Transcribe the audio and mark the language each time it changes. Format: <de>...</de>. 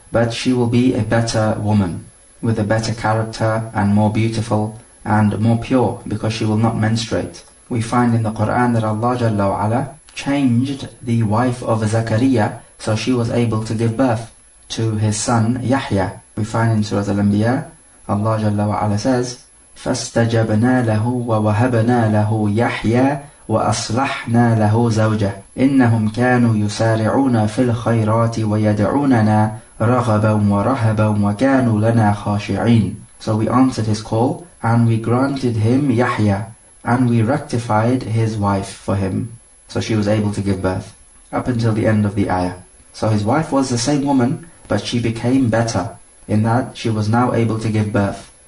<en>But she will be a better woman, with a better character, and more beautiful, and more pure, because she will not menstruate. We find in the Qur'an that Allah Jalla wa Ala changed the wife of Zakariya, so she was able to give birth to his son Yahya. We find in Surah Al-Anbiya, Allah Jalla wa Ala says,</en> <ar>فَاسْتَجَبْنَا لَهُ وَوَهَبْنَا لَهُ يَحْيَى وَأَصْلَحْنَا لَهُ زَوْجَهُ إِنَّهُمْ كَانُوا يُسَارِعُونَ فِي الْخَيْرَاتِ وَيَدْعُونَنَا رَغَبًا وَرَهَبًا وَكَانُوا لَنَا خَاشِعِينَ.</ar> <en>So we answered his call, and we granted him Yahya, and we rectified his wife for him. So she was able to give birth, up until the end of the ayah. So his wife was the same woman, but she became better, in that she was now able to give birth.</en>